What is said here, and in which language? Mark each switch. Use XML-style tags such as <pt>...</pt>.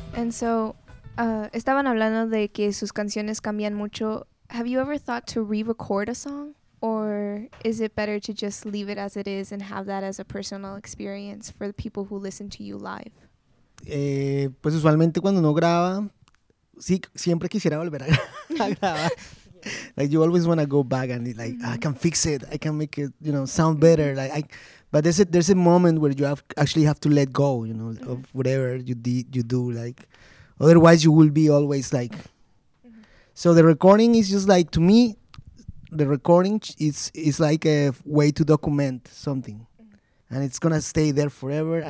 <es>So, estaban hablando de que sus canciones cambian mucho.</es> <en>Have you ever thought to re-record a song? Or is it better to just leave it as it is and have that as a personal experience for the people who listen to you live?</en> <es>Pues usualmente cuando uno graba, sí, siempre quisiera volver a grabar.</es> <en>Like, you always want to go back and like, mm-hmm. I can fix it. I can make it, you know, sound better. Like, but there's a moment where you actually have to let go, you know, mm-hmm. of whatever you do, like... Otherwise, you will be always like. So the recording is just like, to me, the recording is like a way to document something, and it's gonna stay there forever.</en>